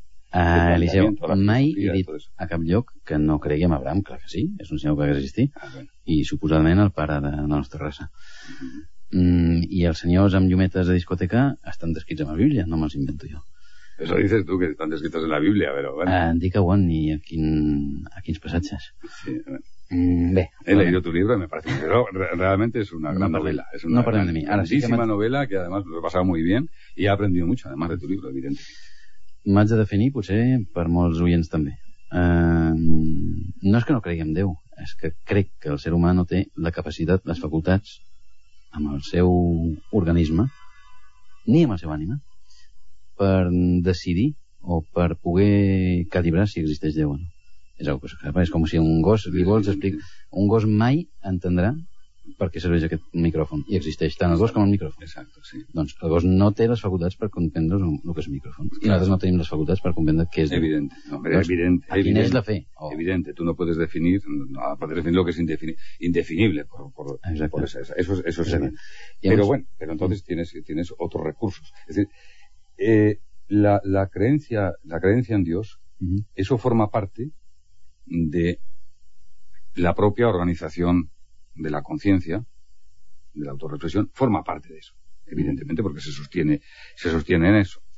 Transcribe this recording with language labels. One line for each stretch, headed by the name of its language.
Catalan: Eliseu, mai he dit a cap lloc que no cregui en Abraham, clar que sí, és un senyor que hauria existit, i suposadament el pare de la nostra raça. I els senyors amb llumetes de discoteca estan descrits en la Bíblia, no me'ls invento jo.
Spanish: Eso dices tú,
Catalan: que estan descrits en la Bíblia, però bueno. Dic-ho, bon, i a quins passatges. Sí, bueno. Bé,
Spanish: he leído tu libro y me parece que realmente es una gran novela. Es una grandísima novela que además lo he pasado muy bien y he aprendido mucho además de tu libro, evidentemente.
Catalan: M'haig de definir, potser, per molts oients també. No és que no cregui en Déu, és que crec que el ser humà no té la capacitat, les facultats, amb el seu organisme, ni amb el seu ànima, per decidir o per poder calibrar si existeix Déu o no. És una cosa que és com si un gos, li vols explicar, un gos mai entendrà per què serveix aquest micròfon, i existeix tant el gos com el micròfon. Exacte, sí. Doncs el gos no té les facultats per comprendre el que és el micròfon. Exacte. I nosaltres no tenim les facultats per comprendre què és. Evident, no, però doncs, evident. A quina és la fe? Oh. Evident, tu no pots definir, no, pots definir el que és indefinible. Por, exacte.
Spanish: Eso es evident.
Catalan: Llavors, però bueno, però
Spanish: entonces tienes otros recursos. Es decir, la creencia en Dios, uh-huh, eso forma parte de la propia organización de la conciencia, de la autorreflexión, forma parte de eso, evidentemente, porque se sostiene en eso.